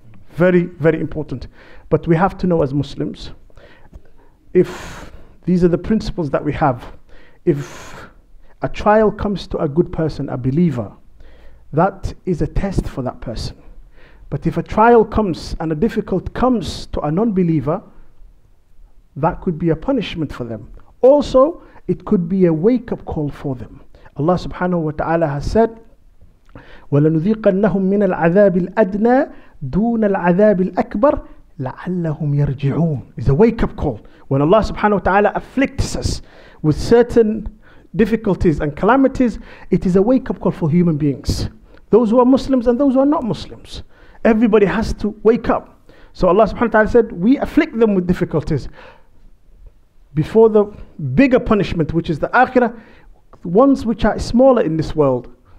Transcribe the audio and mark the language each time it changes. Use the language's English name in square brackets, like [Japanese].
[English] Very, very important. But we have to know as Muslims, if these are the principles that we have, if a trial comes to a good person, a believer, that is a test for that person. But if a trial comes and a difficult comes to a non-believer, that could be a punishment for them. Also, it could be a wake-up call for them. Allah subhanahu wa ta'ala has said, [Arabic] وَلَنُذِيقَنَّهُمْ مِنَ الْعَذَابِ الْأَدْنَى دُونَ الْعَذَابِ الْأَكْبَرِ لَعَلَّهُمْ يَرْجِعُونَ. [English] It's a wake-up call. When Allah subhanahu wa ta'ala afflicts us with certain difficulties and calamities, it is a wake-up call for human beings. Those who are Muslims and those who are not Muslims. Everybody has to wake up. So Allah subhanahu wa ta'ala said, we afflict them with difficulties. Before the bigger punishment, which is the akhirah, ones which are smaller in this world.